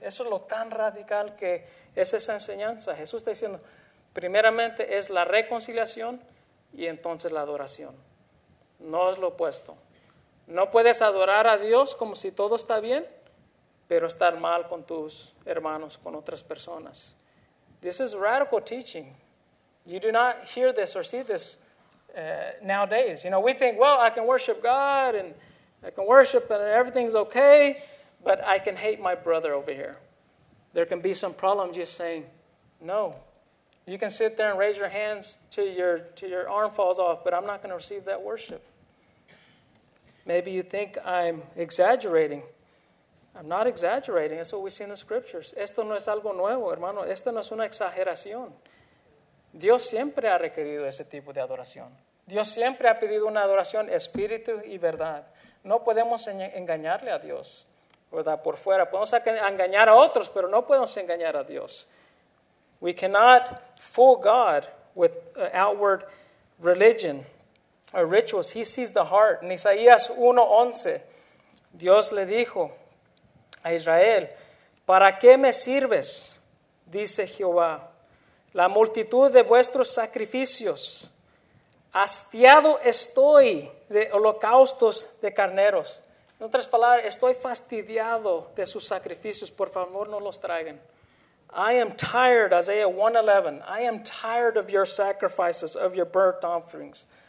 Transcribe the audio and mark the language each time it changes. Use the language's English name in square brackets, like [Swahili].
[Spanish] Eso es lo tan radical que es esa enseñanza. Jesús está diciendo, primeramente es la reconciliación y entonces la adoración. No es lo opuesto. No puedes adorar a Dios como si todo está bien, pero estar mal con tus hermanos, con otras personas. [English] This is radical teaching. You do not hear this or see this nowadays. You know, we think, well, I can worship God and I can worship and everything's okay, but I can hate my brother over here. There can be some problem just saying, no. You can sit there and raise your hands till your arm falls off, but I'm not going to receive that worship. Maybe you think I'm exaggerating. I'm not exaggerating. That's what we see in the scriptures. [Spanish] Esto no es algo nuevo, hermano. Esto no es una exageración. Dios siempre ha requerido ese tipo de adoración. Dios siempre ha pedido una adoración espíritu y verdad. No podemos engañarle a Dios, ¿verdad? Por fuera. Podemos engañar a otros, pero no podemos engañar a Dios. [English] We cannot fool God with outward religion or rituals. He sees the heart. [Spanish] En Isaías 1:11, Dios le dijo a Israel, ¿para qué me sirves? Dice Jehová. La multitud de vuestros sacrificios, hastiado estoy de holocaustos de carneros. En otras palabras, estoy fastidiado de sus sacrificios. Por favor, no los traigan. [English] I am tired, [Spanish] Isaiah 1:11. [English] I am tired of your sacrifices, of your burnt offerings.